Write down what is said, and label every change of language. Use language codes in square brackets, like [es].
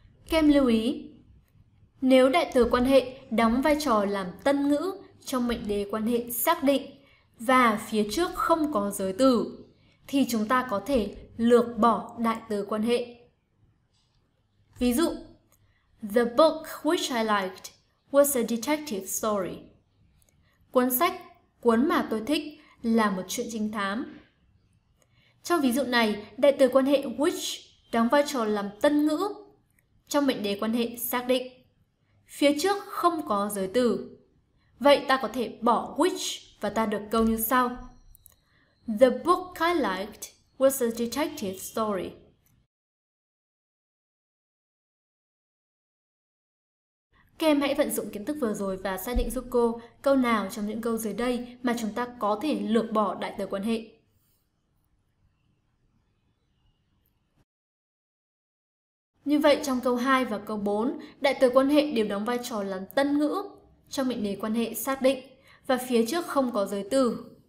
[vi] Các em lưu ý, nếu đại từ quan hệ đóng vai trò làm tân ngữ trong mệnh đề quan hệ xác định và phía trước không có giới từ, thì chúng ta có thể lược bỏ đại từ quan hệ. Ví dụ, [en] the book which I liked was a detective story. [vi] Cuốn sách, cuốn mà tôi thích là một chuyện trinh thám. Trong ví dụ này, đại từ quan hệ which đóng vai trò làm tân ngữ trong mệnh đề quan hệ xác định. Phía trước không có giới từ. Vậy ta có thể bỏ which và ta được câu như sau. [en] The book I liked was a detective story. [vi] Các em hãy vận dụng kiến thức vừa rồi và xác định giúp cô câu nào trong những câu dưới đây mà chúng ta có thể lược bỏ đại từ quan hệ. Như vậy, trong câu 2 và câu 4, đại từ quan hệ đều đóng vai trò là tân ngữ trong mệnh đề quan hệ xác định và phía trước không có giới từ.